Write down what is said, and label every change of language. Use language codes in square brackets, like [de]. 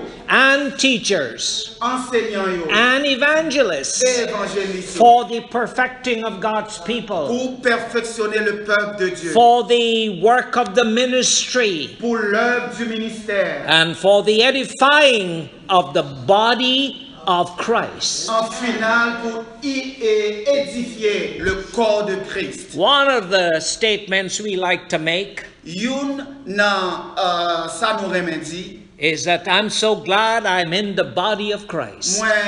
[en] and teachers and evangelists for the perfecting of God's people, for the work of the ministry, and for the edifying of the body of Christ. [fr] En final, pour édifier le corps de Christ. [en] One of the statements we like to make is that I'm so glad I'm in the body of Christ.